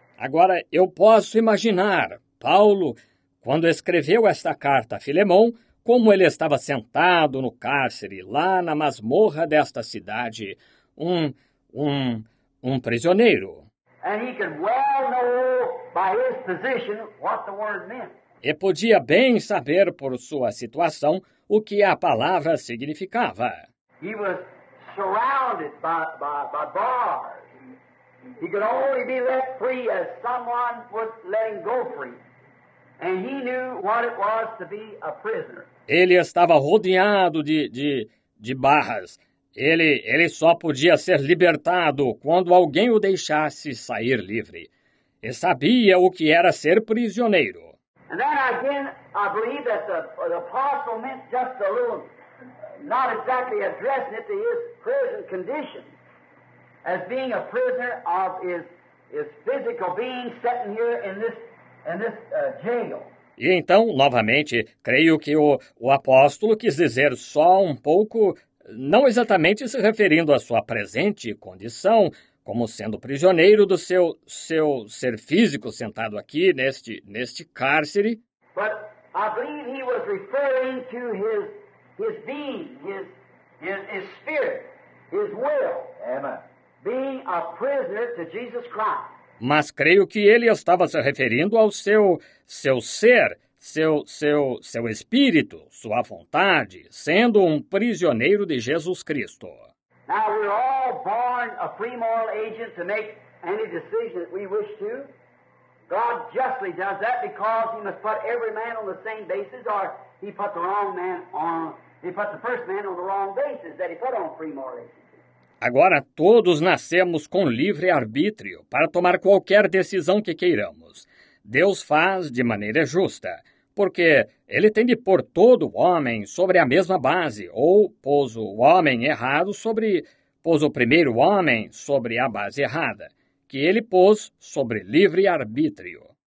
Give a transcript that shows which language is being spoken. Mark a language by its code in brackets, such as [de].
[pt] Agora, eu posso imaginar Paulo, quando escreveu esta carta a Filemon, como ele estava sentado no cárcere, lá na masmorra desta cidade, um prisioneiro. [en] And he could well know by his position what the word meant. [pt] E podia bem saber por sua situação o que a palavra significava. [en] He was surrounded by bars. He could only be let free as someone was letting go free. And he knew what it was to be a prisoner. [pt] Ele estava rodeado de barras. Ele só podia ser libertado quando alguém o deixasse sair livre. E sabia o que era ser prisioneiro. [en] And then again, I believe that the apostle meant just a little, not exactly addressing it to his prison condition, as being a prisoner of his physical being sitting here in this jail. [pt] E então, novamente, creio que o apóstolo quis dizer só um pouco, não exatamente se referindo à sua presente condição, como sendo prisioneiro do seu ser físico sentado aqui neste cárcere. [en] But I believe he was referring to his being, his spirit, his will, Amen. Being a prisoner to Jesus Christ. [pt] Mas creio que ele estava se referindo ao seu ser, seu espírito, sua vontade, sendo um prisioneiro de Jesus Cristo. [en] Now we're all born a free moral agent to make any decision that we wish to. God justly does that because he must put every man on the same basis, or he put the wrong man on, he put the first man on the wrong basis that he put on free moral agent. [pt] Agora, todos nascemos com livre arbítrio para tomar qualquer decisão que queiramos. Deus faz de maneira justa, porque ele tem de pôr todo o homem sobre a mesma base, ou pôs o homem errado sobre pôs o primeiro homem sobre a base errada, que ele pôs sobre livre arbítrio.